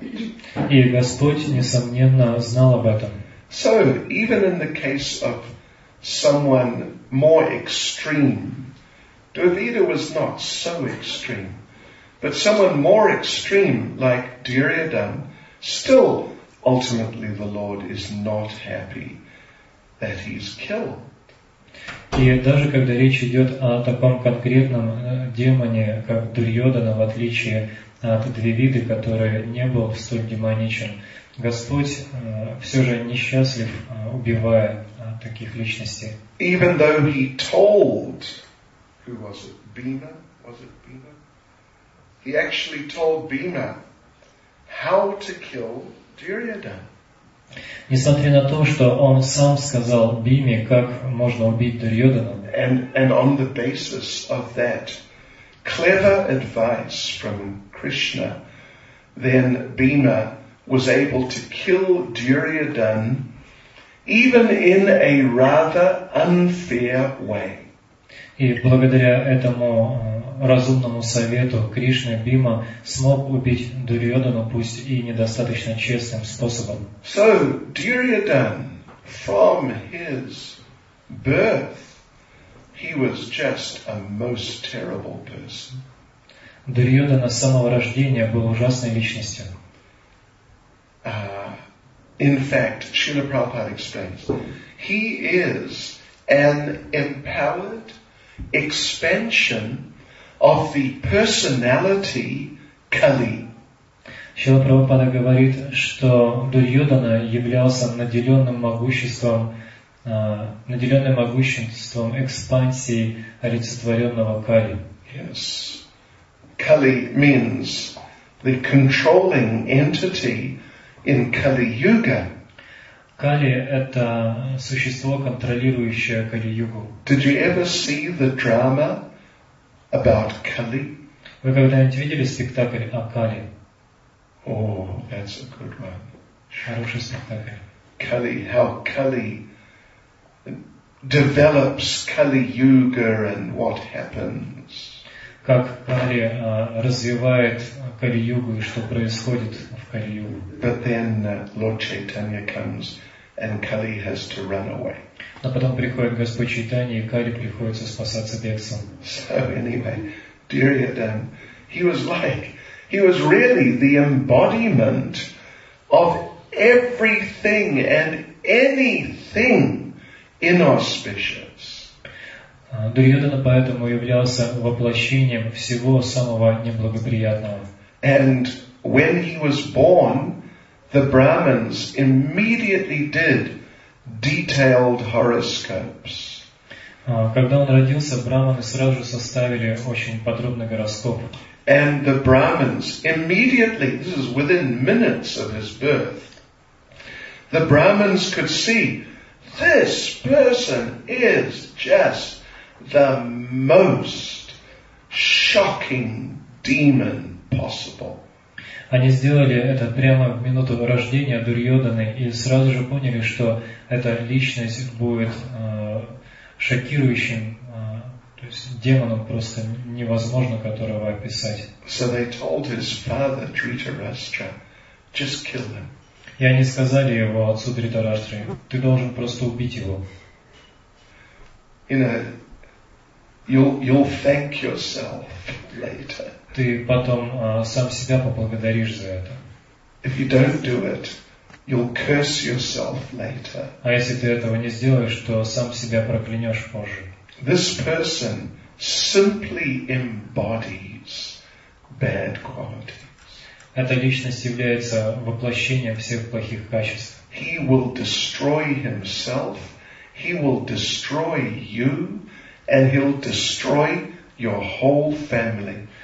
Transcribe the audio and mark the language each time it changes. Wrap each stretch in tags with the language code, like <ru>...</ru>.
<ru>И Господь, несомненно, знал об этом.</ru> <en>So, even in the case of someone more extreme, Duryodhana was not so extreme, but someone more extreme, like Duryodhana, still, ultimately, the Lord is not happy that he's killed.</en> <ru>И даже когда речь идет о таком конкретном демоне, как Дурьодхана, в отличие от Двивиды, который не был столь демоничен, Господь все же несчастлив, убивая таких личностей.</ru> <en>Even though he told, who was it, Bhima? Was it Bhima? He actually told Bhima how to kill Duryodhana.</en> <ru>Несмотря на то, что он сам сказал Бхиме, как можно убить Дурьодхану.</ru> <en>And on the basis of that clever advice from Krishna, then Bhima was able to kill Duryodhana even in a rather unfair way.</en> <ru>И благодаря этому разумному совету Кришны Бхима смог убить Дурьодхану, пусть и недостаточно честным способом.</ru> <en>So Duryodhana, from his birth, he was just a most terrible person.</en> <ru>Дурьодхана с самого рождения был ужасной личностью.</ru> <en>In fact, Srila Prabhupada explains, he is an empowered expansion of the personality Kali.</en> <ru>Шрила Прабхупада говорит, что Дурьодхана являлся наделенным могуществом экспансии олицетворенного Кали.</ru> <en>Yes. Kali means the controlling entity in Kali Yuga.</en> <ru>Kali – это существо, контролирующее Кали-югу.</ru> <en>Did you ever see the drama about Kali?</en> <ru>Вы когда-нибудь видели спектакль о Кали?</ru> <en>Oh, that's a good one.</en> <ru>Хороший спектакль.</ru> <en>Kali, how Kali develops Kali-юга and what happens.</en> <ru>Как Кали развивает Кали-югу и что происходит в Кали-югу.</ru> <en>But then Lord Chaitanya comes and Kali has to run away.</en> <ru>Но потом приходит Господь Чайтанья, и Кали приходится спасаться бегством.</ru> <en>So anyway, Дурьодхана, he was really the embodiment of everything and anything inauspicious.</en> <ru>Дурьодхана поэтому являлся воплощением всего самого неблагоприятного.</ru> <en>And when he was born, the Brahmins immediately did detailed horoscopes.</en> <ru>Когда он родился, Брахманы сразу составили очень подробный гороскоп.</ru> <en>And the Brahmins immediately, this is within minutes of his birth, the Brahmins could see, this person is just the most shocking demon possible.</en> <ru>Они сделали это прямо в минуту рождения Дурьодханы и сразу же поняли, что эта личность будет шокирующим, то есть демоном просто невозможно которого описать.</ru> <en>So they told his father, Dhritarashtra, just kill him.</en> <ru>И они сказали его отцу Дхритараштре, ты должен просто убить его.</ru> <en>You know, you'll thank yourself later.</en> <ru>Ты потом сам себя поблагодаришь за это.</ru> <en>If you don't do it, you'll curse yourself later.</en> <ru>А если ты этого не сделаешь, то сам себя проклянешь позже.</ru> <en>This person simply embodies bad qualities.</en> <ru>Эта личность является воплощением всех плохих качеств.</ru> <en>He will destroy himself, he will destroy you, and he'll destroy your whole family.</en>